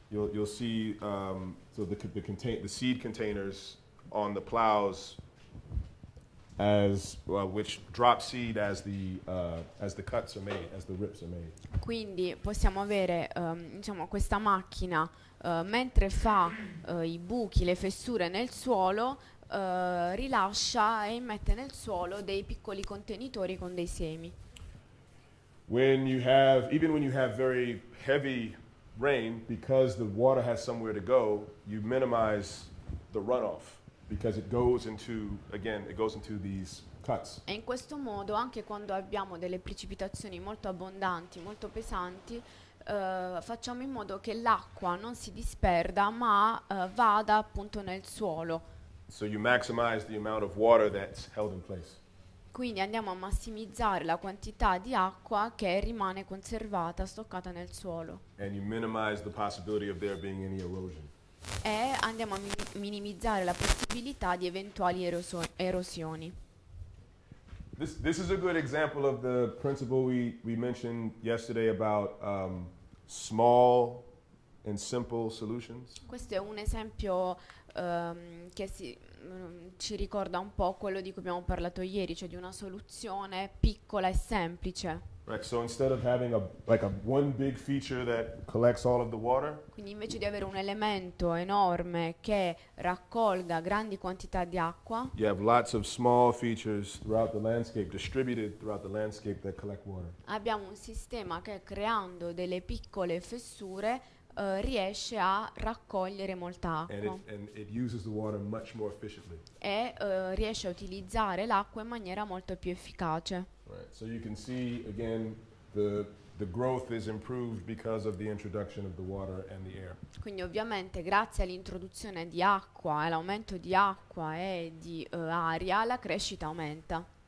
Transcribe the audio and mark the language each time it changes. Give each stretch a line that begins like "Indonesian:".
English: You'll see the seed containers on the plows which drop seed as the cuts are made, as the rips are made.
Italian: Quindi possiamo avere questa macchina mentre fa i buchi, le fessure nel suolo, rilascia e mette nel suolo dei piccoli contenitori con dei semi.
English: Even when you have very heavy rain, because the water has somewhere to go, you minimize the runoff because it goes into these cuts.
Italian: E in questo modo, anche quando abbiamo delle precipitazioni molto abbondanti, molto pesanti, facciamo in modo che l'acqua non si disperda, ma vada appunto nel suolo.
English: So you maximize the amount of water that's held in place.
Italian: quindi andiamo a massimizzare la quantità di acqua che rimane conservata, stoccata nel suolo.
English: And you minimize the possibility of there being any erosion.
Italian: E andiamo a minimizzare la possibilità di eventuali erosioni.
English: This is a good example of the principle we mentioned yesterday about small and simple solutions.
Italian: Questo è un esempio che ci ricorda un po' quello di cui abbiamo parlato ieri, cioè di una soluzione piccola e semplice.
English: Right, so instead of having a one big feature that collects all of the water,
Italian: quindi invece di avere un elemento enorme che raccolga grandi quantità di acqua,
English: you have lots of small features throughout the landscape, distributed throughout the landscape, that collect water.
Italian: Abbiamo un sistema che, creando delle piccole fessure, riesce a raccogliere molta acqua.
English: And it uses the water much more efficiently.
Italian: E riesce a utilizzare l'acqua in maniera molto più efficace.
English: Right. So you can see again the growth is improved because of the introduction of the water and the air.
Italian: Quindi ovviamente grazie all'introduzione di acqua e l'aumento di acqua e di aria, la crescita aumenta.